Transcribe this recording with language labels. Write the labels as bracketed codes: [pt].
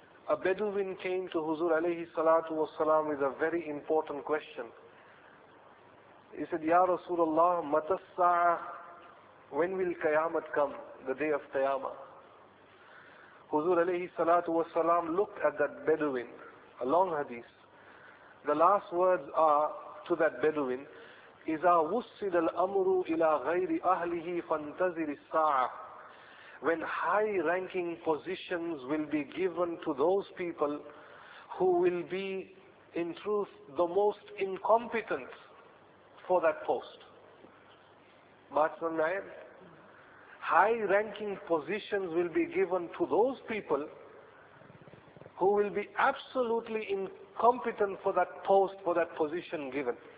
[en] A Bedouin came to Huzur alayhi salatu wasalam with a very important question. He said, Ya Rasulullah, [ar] matas-sa'a, [en] when will Qiyamah come, the day of Qiyamah? Huzur alayhi salatu wasalam looked at that Bedouin. A long hadith. The last words are to that Bedouin, [ar] إِذَا وُسِّدَ الْأَمْرُ إِلَىٰ غَيْرِ أَهْلِهِ فَانْتَزِرِ السَّاعَةِ. [en] When high-ranking positions will be given to those people who will be, in truth, the most incompetent for that post. Batsanayat. High-ranking positions will be given to those people who will be absolutely incompetent for that post, for that position given.